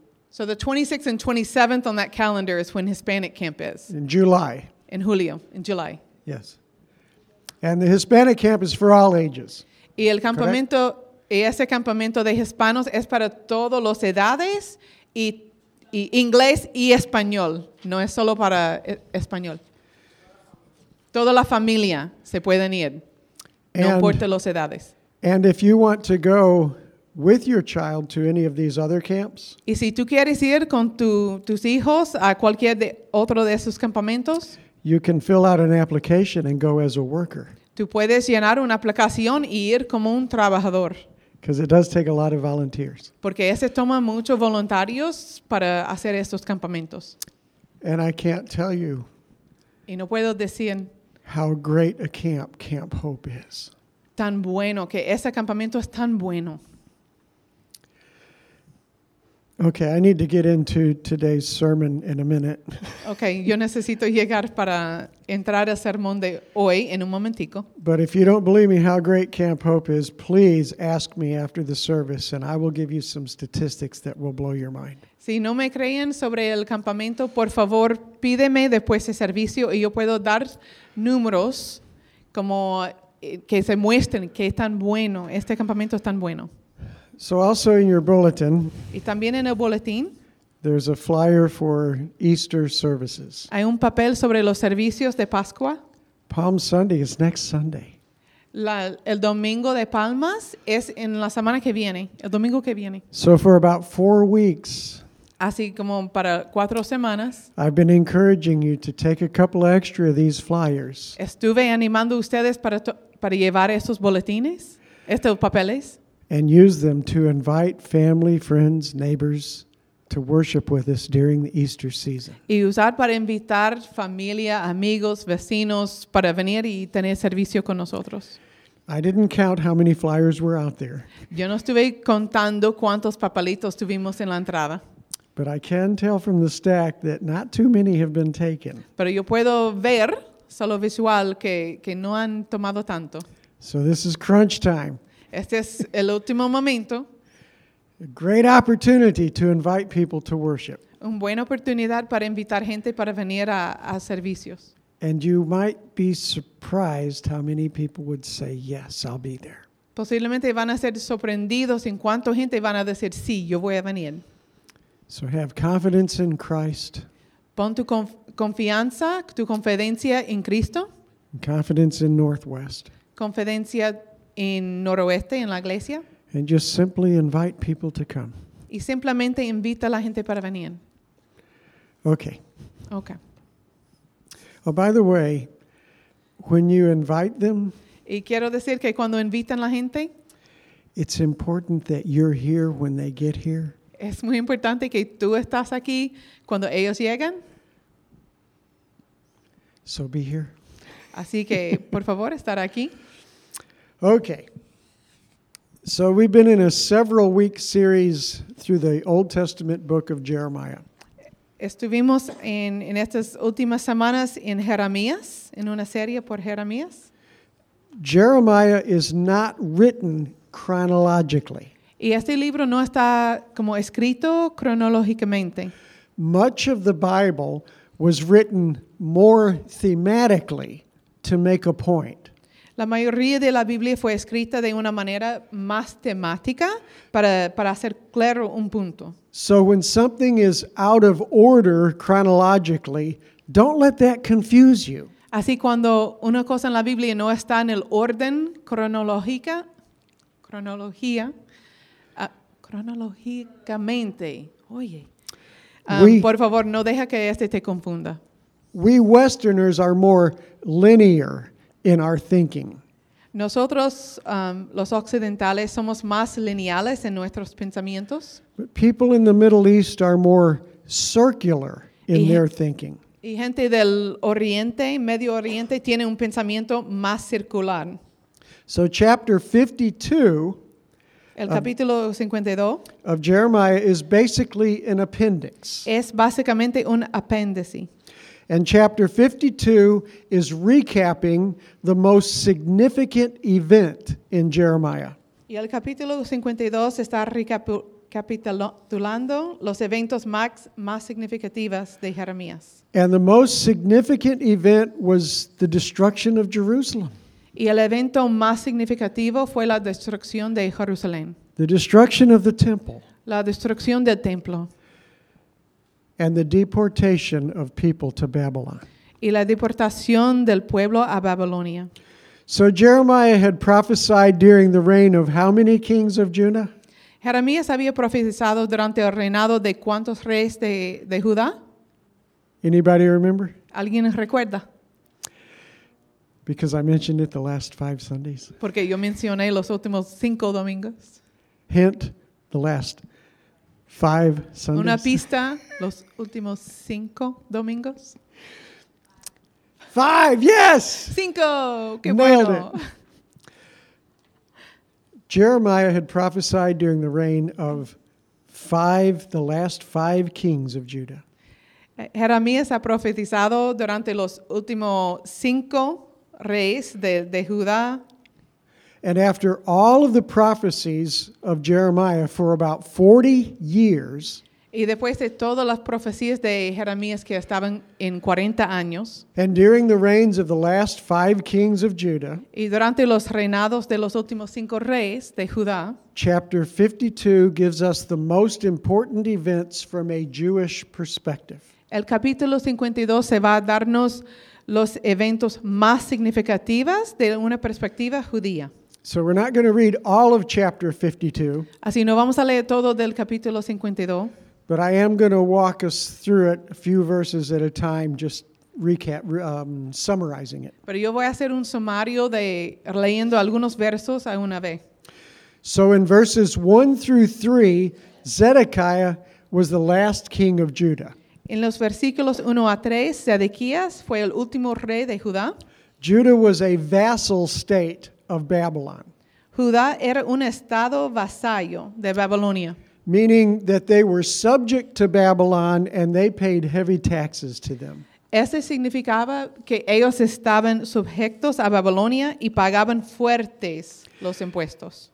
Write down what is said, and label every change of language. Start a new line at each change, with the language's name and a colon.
English: So the 26th and 27th on that calendar is when Hispanic camp is. In July. In julio, in July. Yes. And the Hispanic camp is for all ages.
Spanish: Y el campamento, correct? Y ese campamento de hispanos es para todos los edades y inglés y español. No es solo para español. Toda la familia se pueden ir. No importa los edades.
English: And if you want to go with your child to any of these other camps,
Spanish: y si tú quieres ir con tus hijos a cualquier de otro de esos campamentos,
English: you can fill out an application and go as a worker.
Spanish: Tú puedes llenar una aplicación y ir como un trabajador.
English: Because it does take a lot of volunteers.
Spanish: Porque ese toma muchos voluntarios para hacer estos campamentos.
English: And I can't tell you.
Spanish: Y no puedo decir.
English: How great a camp Camp Hope is.
Spanish: Tan bueno que ese campamento es tan bueno.
English: Okay, I need to get into today's sermon in a minute.
Spanish: Okay, yo necesito llegar para entrar al sermón de hoy en un momentico.
English: But if you don't believe me how great Camp Hope is, please ask me after the service and I will give you some statistics that will blow your mind.
Spanish: Si no me creen sobre el campamento, por favor, pídeme después de servicio y yo puedo dar números como que se muestren que es tan bueno, este campamento es tan bueno.
English: So also in your bulletin,
Spanish: y también en el boletín,
English: there's a flyer for Easter services.
Spanish: Hay un papel sobre los servicios de Pascua.
English: Palm Sunday is next Sunday.
Spanish: El domingo de Palmas es en la semana que viene, el domingo que viene.
English: So for about 4 weeks,
Spanish: así como para 4 semanas,
English: I've been encouraging you to take a couple extra of these flyers.
Spanish: Estuve animando ustedes para llevar estos boletines, estos papeles.
English: And use them to invite family, friends, neighbors to worship with us during the Easter season.
Spanish: Y usar para invitar familia, amigos, vecinos para venir y tener servicio con nosotros.
English: I didn't count how many flyers were out there.
Spanish: Yo no estuve contando cuántos papelitos tuvimos en la entrada.
English: But I can tell from the stack that not too many have been taken.
Spanish: Pero yo puedo ver, solo visual, que no han tomado tanto.
English: So this is crunch time.
Spanish: Este es el último momento.
English: A great opportunity to invite people to worship.
Spanish: Una buena oportunidad para invitar gente para venir a servicios.
English: And you might be surprised how many people would say, yes, I'll be there.
Spanish: Posiblemente van a ser sorprendidos en cuánto gente van a decir, sí, yo voy a venir.
English: So have confidence in Christ.
Spanish: Pon tu confianza, tu confidencia en Cristo.
English: Confidence in Northwest.
Spanish: Confidencia en noroeste, en la iglesia.
English: And just simply invite people to come.
Spanish: Y simplemente invita a la gente para venir. Okay. Okay.
English: Oh, by the way, when you invite them,
Spanish: y quiero decir que cuando invitan la gente,
English: it's important that you're here when they get here.
Spanish: Es muy importante que tú estás aquí cuando ellos llegan.
English: So be here.
Spanish: Así que, por favor, estar aquí.
English: Okay, so we've been in a several-week series through the Old Testament book of Jeremiah.
Spanish: Estuvimos en estas últimas semanas en Jeremías, en una serie por Jeremías.
English: Jeremiah is not written chronologically.
Spanish: Y este libro no está como escrito cronológicamente.
English: Much of the Bible was written more thematically to make a point.
Spanish: La mayoría de la Biblia fue escrita de una manera más temática para hacer claro un punto.
English: So when something is out of order chronologically, don't let that confuse you.
Spanish: Así cuando una cosa en la Biblia no está en el orden cronológica, cronológicamente, oye, por favor, no deja que este te confunda.
English: We Westerners are more linear in our thinking.
Spanish: Nosotros, los occidentales, somos más lineales en nuestros pensamientos.
English: But people in the Middle East are more circular in their thinking.
Spanish: Y gente del Oriente, Medio Oriente, tiene un pensamiento más circular.
English: So chapter 52,
Spanish: el capítulo 52
English: of Jeremiah is basically an appendix.
Spanish: Es básicamente un apéndice.
English: And chapter 52 is recapping the most significant event in Jeremiah.
Spanish: Y el capítulo 52 está recapitulando los eventos más significativos de Jeremías.
English: And the most significant event was the destruction of Jerusalem.
Spanish: Y el evento más significativo fue la destrucción de Jerusalén.
English: The destruction of the temple.
Spanish: La destrucción del templo.
English: And the deportation of people to Babylon.
Spanish: Y la deportación del pueblo a Babilonia.
English: So Jeremiah had prophesied during the reign of how many kings of Judah?
Spanish: Jeremías había profetizado durante el reinado de cuántos reyes de Judá?
English: Anybody remember?
Spanish: ¿Alguien recuerda?
English: Because I mentioned it the last five Sundays.
Spanish: Porque yo mencioné los últimos cinco domingos.
English: Hint, the last five Sundays.
Spanish: Una pista, los últimos cinco domingos.
English: Five, yes!
Spanish: Cinco, qué nailed bueno. It.
English: Jeremiah had prophesied during the reign of the last five kings of Judah.
Spanish: Jeremías ha profetizado durante los últimos cinco reyes de Judá.
English: And after all of the prophecies of Jeremiah for about 40 years,
Spanish: y después de todas las profecías de Jeremías que estaban en 40 años,
English: and during the reigns of the last five kings of Judah,
Spanish: y durante los reinados de los últimos cinco reyes de Judá,
English: chapter 52 gives us the most important events from a Jewish perspective.
Spanish: El capítulo 52 se va a darnos los eventos más significativos de una perspectiva judía.
English: So we're not going to read all of chapter 52.
Spanish: Así no vamos a leer todo del capítulo 52.
English: But I am going to walk us through it a few verses at a time, just summarizing it.
Spanish: Pero yo voy a hacer un sumario de leyendo algunos versos a una vez.
English: So in verses 1 through 3, Zedekiah was the last king of Judah.
Spanish: En los versículos 1 a 3, Zedekías fue el último rey de Judá.
English: Judah was a vassal state of Babylon.
Spanish: Judá era un estado vasallo de Babilonia.
English: Meaning that they were subject to Babylon and they paid heavy taxes to them.
Spanish: Eso significaba que ellos estaban sujetos a Babilonia y pagaban fuertes los impuestos.